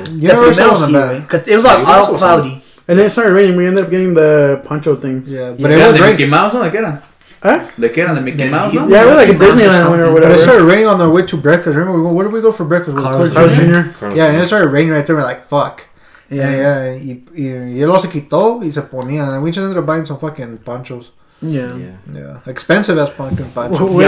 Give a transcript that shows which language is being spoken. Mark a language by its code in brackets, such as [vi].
[en] Because it was like all cloudy. And then it started raining. We ended up getting the poncho things. Yeah, but it was raining. Mickey Mouse, like, Yeah, we're like a Disneyland winner or whatever. It started raining on our way to breakfast. Remember, where did we go for breakfast? Carl's Jr. Yeah, and it started raining right there. We're like, fuck. [es] Yeah. Y lo se quitó y se ponía. [en] And we just ended up buying some fucking ponchos. Yeah. Expensive as pumpkin ponchos.